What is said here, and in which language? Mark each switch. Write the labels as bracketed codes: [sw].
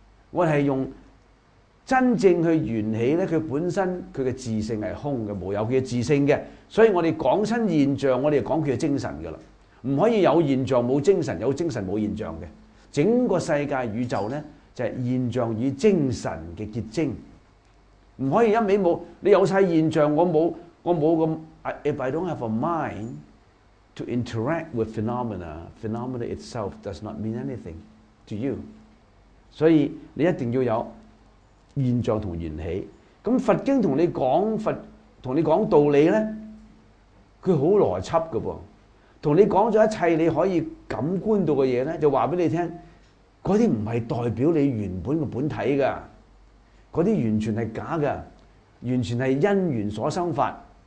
[yue] 我哋系用真正去缘起咧，佢本身佢嘅自性系空嘅，无有佢嘅自性嘅。所以我哋讲亲现象，我哋讲佢嘅精神噶啦，唔可以有现象冇精神，有精神冇现象嘅。整个世界宇宙咧就系现象与精神嘅结晶，唔可以一味冇。你有晒现象，我冇咁。 [en] If I don't have a mind to interact with phenomena itself does not mean anything to you。 [yue] 所以你一定要有现象同缘起。咁佛经同你讲佛，同你讲道理咧，佢好逻辑噶噃。同你讲咗一切你可以感官到嘅嘢咧，就话俾你听，嗰啲唔系代表你原本嘅本体噶，嗰啲完全系假噶，完全系因缘所生法。